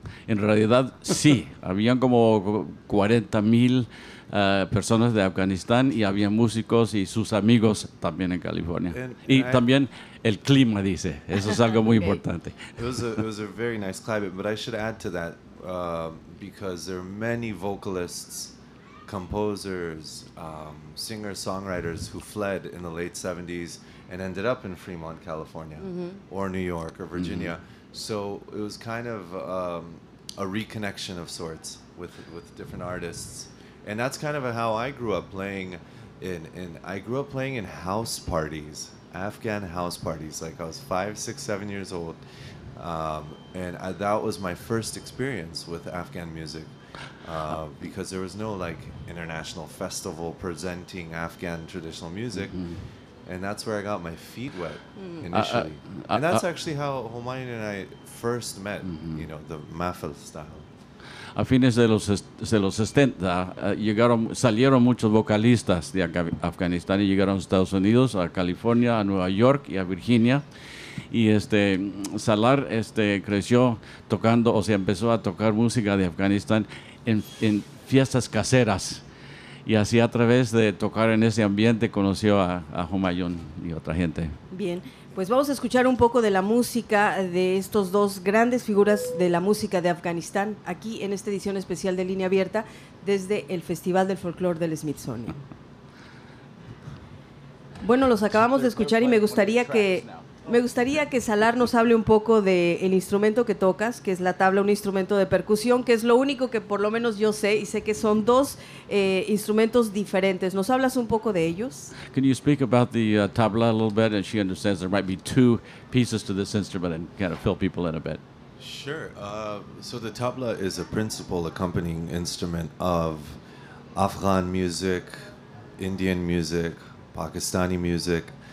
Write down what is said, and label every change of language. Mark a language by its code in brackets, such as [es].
[es] En realidad sí, habían como 40,000 personas de Afganistán y había músicos y sus amigos también en California. También el clima, dice, eso es algo muy importante. [en] It was a very nice climate, but I should add to that because there are many vocalists, composers, singer-songwriters who fled in the late 70s. And ended up in Fremont, California, mm-hmm. or New York, or Virginia. Mm-hmm. So it was kind of a reconnection of sorts with different artists. And that's kind of how I grew up playing in house parties, Afghan house parties. Like I was 5, 6, 7 years old. And that was my first experience with Afghan music. Because there was no like international festival presenting Afghan traditional music. Mm-hmm. And that's where I got my feet wet initially. And that's actually how Humayun and I first met, mm-hmm. you know, the Mafal style. [es] A fines de los 70, salieron muchos vocalistas de Afganistán y llegaron a Estados Unidos, a California, a Nueva York y a Virginia. Y Salar creció tocando, o sea, empezó a tocar música de Afganistán en fiestas caseras. Y así a través de tocar en ese ambiente conoció a Humayun y otra gente. Bien, pues vamos a escuchar un poco de la música de estos dos grandes figuras de la música de Afganistán aquí en esta edición especial de Línea Abierta desde el Festival del Folklore del Smithsonian. Bueno, los acabamos de escuchar y me gustaría que Salar nos hable un poco del instrumento que tocas, que es la tabla, un instrumento de percusión, que es lo único que por lo menos yo sé, y sé que son dos instrumentos diferentes. ¿Nos hablas un poco de ellos? [en] Can you speak about the tabla a little bit? And she understands there might be two pieces to this instrument and kind of fill people in a bit. Sure. So the tabla is a principal accompanying instrument of Afghan music, Indian music, Pakistani music.